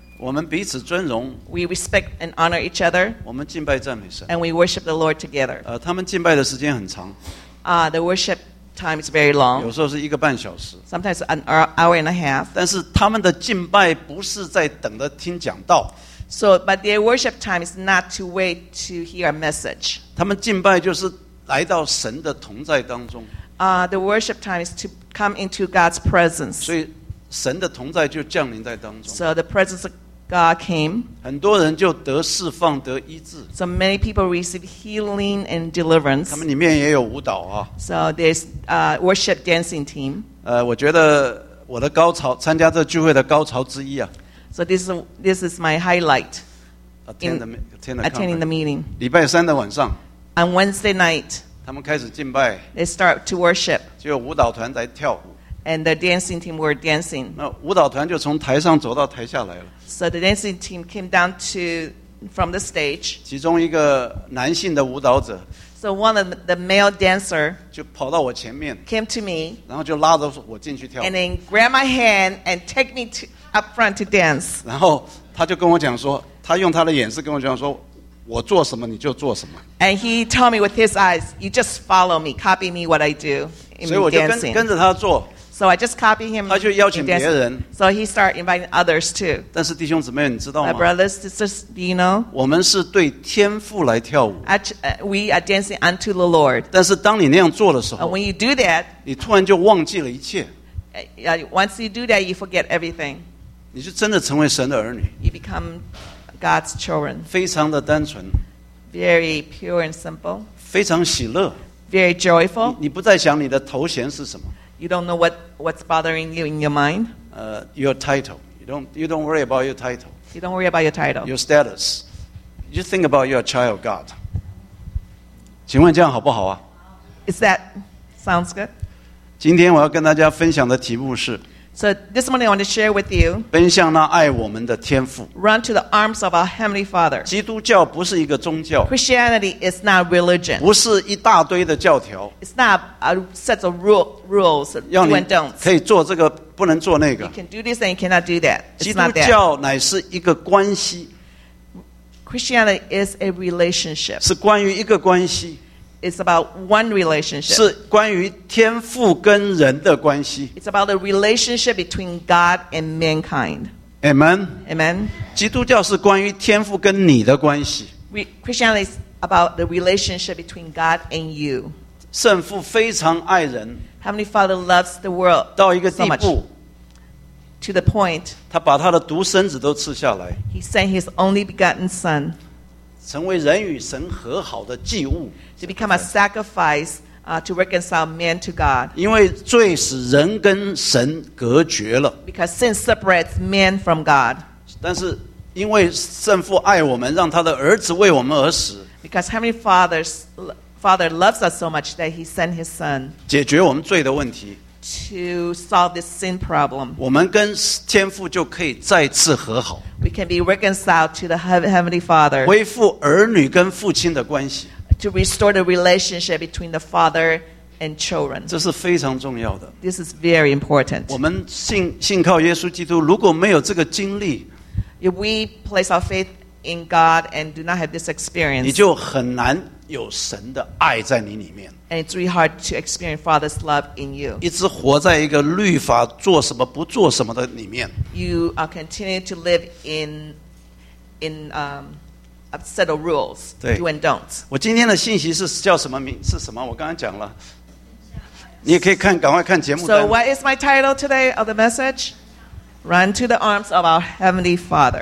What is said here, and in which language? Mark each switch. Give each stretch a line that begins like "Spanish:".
Chinese: 我们彼此尊荣。
English: We respect and honor each other.
Chinese: 我们敬拜赞美神。
English: And we worship the Lord together.
Chinese: 他们敬拜的时间很长。
English: The worship time is very long.
Chinese: 有时候是一个半小时。
English: Sometimes an hour and a half.
Chinese: 但是他们的敬拜不是在等着听讲道。
English: So, but their worship time is not to wait to hear a message.
Chinese: 他们敬拜就是来到神的同在当中。
English: The worship time is to come into God's presence.
Chinese: 所以神的同在就降临在当中。
English: So the presence of God came.
Chinese: 很多人就得释放得医治。
English: So many people receive healing and deliverance.
Chinese: 他们里面也有舞蹈啊。
English: So there's worship dancing team.
Chinese: 我觉得我的高潮, 参加这聚会的高潮之一啊。
English: So this is my highlight attending the meeting.
Chinese: 礼拜三的晚上,
English: on Wednesday night,
Chinese: 他们开始敬拜,
English: they start to worship.
Chinese: 就有舞蹈团在跳舞,
English: and the dancing team were dancing.
Chinese: 那舞蹈团就从台上走到台下来了。
English: So the dancing team came down to from the stage.
Chinese: 其中一个男性的舞蹈者,
English: so one of the male dancer
Chinese: 就跑到我前面,
English: came to me,
Chinese: 然后就拉着我进去跳舞,
English: and then grabbed my hand and take me to up front to dance.
Chinese: 然后他就跟我讲说, 他用他的眼神跟我讲说, 我做什么你就做什么。
English: And he told me with his eyes, you just follow me, copy me what I do in dancing.
Chinese: 跟着他做,
English: so I just copy him.
Chinese: 他就邀请别人,
English: so he started inviting others too.
Chinese: 但是弟兄姊妹, 你知道吗?
English: My brothers, sisters, do you know?
Chinese: 我们是对天父来跳舞。
English: We are dancing unto the Lord.
Chinese: 但是当你那样做的时候,
English: when you do that,
Chinese: 你突然就忘记了一切。
English: Once you do that, you forget everything.
Chinese: 你就真的成为神的儿女,
English: you become God's children.
Chinese: 非常的单纯,
English: very pure and simple.
Chinese: 非常喜乐,
English: very joyful.
Chinese: 你不再想你的头衔是什么,
English: you don't know what's bothering you in your mind. Your title. You don't worry about your title. You don't worry about your title. Your status. You think about your child God.
Chinese: 请问这样好不好啊?
English: Is that sounds good?
Chinese: 今天我要跟大家分享的题目是,
English: so this morning I want to share with you,
Chinese: 奔向那爱我们的天父,
English: run to the arms of our Heavenly Father.
Chinese: 基督教不是一个宗教,
English: Christianity is not religion.
Chinese: 不是一大堆的教条,
English: it's not a set of rules, do and don'ts.
Chinese: 可以做这个, 不能做那个,
English: you can do this and you cannot do that. It's
Chinese: 基督教乃是一个关系,
English: Christianity is a relationship.
Chinese: 是关于一个关系,
English: it's about one relationship.
Chinese: 是关于天父跟人的关系。
English: It's about the relationship between God and mankind. Amen. Amen.
Chinese: 基督教是关于天父跟你的关系。
English: Christianity is about the relationship between God and you.
Chinese: 圣父非常爱人。
English: Heavenly Father loves the world
Chinese: 到一个地步,
English: so much. To the point,
Chinese: 他把他的独生子都赐下来。
English: He sent his only begotten son.
Chinese: 成为人与神和好的祭物。
English: To become a sacrifice to reconcile man to God.
Chinese: 因为罪使人跟神隔绝了。
English: Because sin separates man from God.
Chinese: 但是因为圣父爱我们, 让他的儿子为我们而死。
English: Because Heavenly Father Father loves us so much that he sent his son
Chinese: 解决我们罪的问题
English: to solve this sin problem.
Chinese: 我们跟天父就可以再次和好
English: We can be reconciled to the Heavenly Father.
Chinese: 恢复儿女跟父亲的关系
English: To restore the relationship between the Father and children.
Chinese: 这是非常重要的
English: This is very important.
Chinese: 我们信靠耶稣基督如果没有这个经历
English: If we place our faith in God and do not have this experience,
Chinese: 你就很难有神的爱在你里面
English: and it's really hard to experience Father's love in you
Chinese: 一直活在一个律法做什么不做什么的里面
English: you are continuing to live in a set of rules do and don'ts
Chinese: 我今天的信息是叫什么名是什么我刚刚讲了你也可以看赶快看节目单
English: so what is my title today of the message run to the arms of our heavenly father